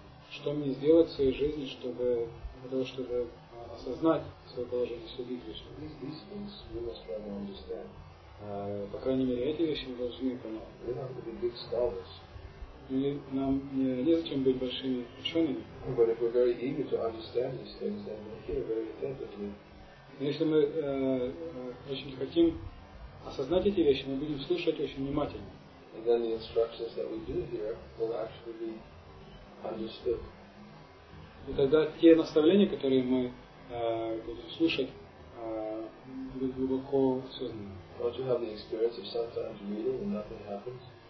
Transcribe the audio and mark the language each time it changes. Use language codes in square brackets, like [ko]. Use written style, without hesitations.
[ru] Что мне сделать в своей жизни, чтобы для того, чтобы осознать свое положение слуги Кришны? По крайней мере, эти вещи мы должны понять. И нам не зачем быть большими учеными. [en] But if we're very eager to understand these things, then we'll hear very attentively. [ru] Если мы очень хотим осознать эти вещи, мы будем слушать очень внимательно. [en] And then the instructions that we do hear will actually be understood. [ru] И тогда те наставления, которые мы будем слушать, будут глубоко осознаны. [en] Don't you have the experience of sometimes reading and nothing happens?